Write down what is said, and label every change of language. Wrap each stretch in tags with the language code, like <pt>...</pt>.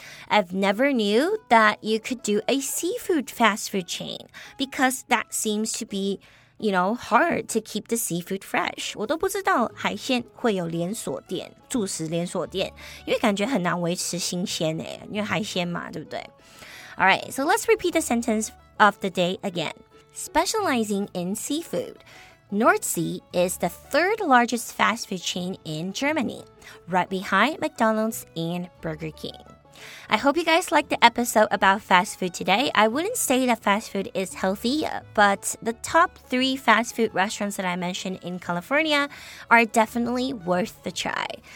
<en>I've never knew that you could do a seafood fast food chain because that seems to be, you know, hard to keep the seafood fresh.</en> <zh>我都不知道海鲜会有连锁店，住食连锁店，因为感觉很难维持新鲜耶，因为海鲜嘛，对不对？</zh> <en>All right, so let's repeat the sentence of the day again. Specializing in seafood, Nordsee is the third largest fast food chain in Germany, right behind McDonald's and Burger King. I hope you guys liked the episode about fast food today. I wouldn't say that fast food is healthy, but the top three fast food restaurants that I mentioned in California are definitely worth the try.</en>